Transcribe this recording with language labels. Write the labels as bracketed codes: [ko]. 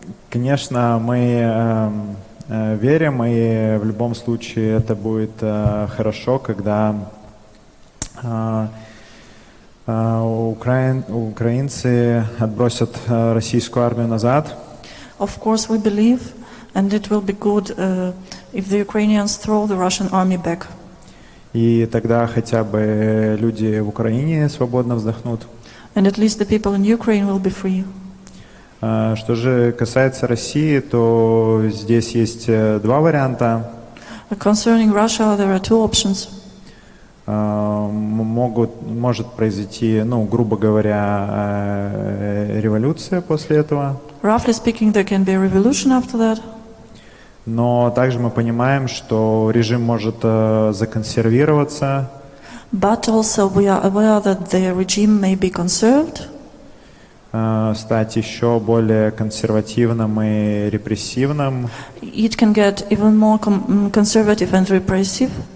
[ru] Конечно, мы верим, и в любом случае это будет хорошо, когда украинцы отбросят российскую армию назад. [en] Of course, we believe, and it will be good if the Ukrainians throw the Russian army back. [ru] И тогда хотя бы люди в Украине свободно вздохнут. [en] And at least the people in Ukraine will be free. [ru] Что же касается России, то здесь есть два варианта. [en] Concerning Russia, there are two options. [ru] Может произойти, ну, грубо говоря, революция после этого. [en] Roughly speaking, there can be a revolution after that. [ru] Но также мы понимаем, что режим может законсервироваться. [en] But also we are aware that the regime may be conserved. [ru] Стать еще более консервативным и репрессивным. [en] It can get even more conservative and repressive.